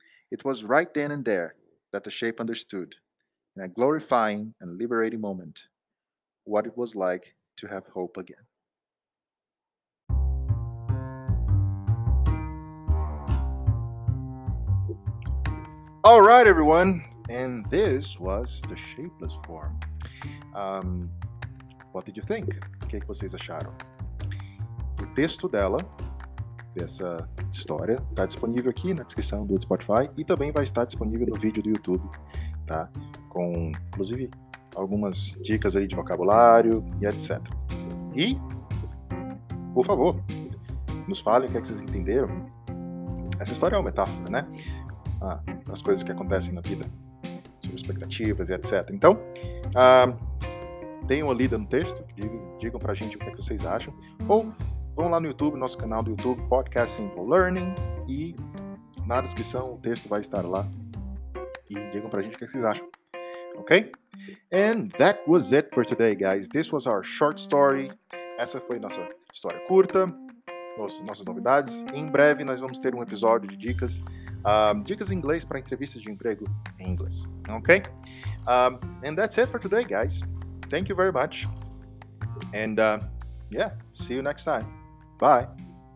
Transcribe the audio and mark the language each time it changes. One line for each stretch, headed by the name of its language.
English: It was right then and there that the shape understood, in a glorifying and liberating moment, what it was like to have hope again. All right, everyone, and this was the shapeless form. What did you think?
Portuguese: O que vocês acharam? O texto dela, dessa história, está disponível aqui na descrição do Spotify e também vai estar disponível no vídeo do YouTube, tá? Com, inclusive, algumas dicas aí de vocabulário e etc. E, por favor, nos falem o que, é que vocês entenderam. Essa história é uma metáfora, né? As coisas que acontecem na vida, suas expectativas e etc. Então, deem uma lida no texto, digam pra gente o que, é que vocês acham, ou vão lá no YouTube, nosso canal do YouTube, Podcast Simple Learning, e na descrição o texto vai estar lá. E digam pra gente o que, é que vocês acham.
English: Ok? And that was it for today, guys. This was our short story.
Portuguese: Essa foi nossa história curta, nossas novidades. Em breve nós vamos ter um episódio de dicas. Dicas em inglês para entrevistas de emprego em inglês, ok?
English: And that's it for today, guys. Thank you very much. And, yeah, see you next time. Bye!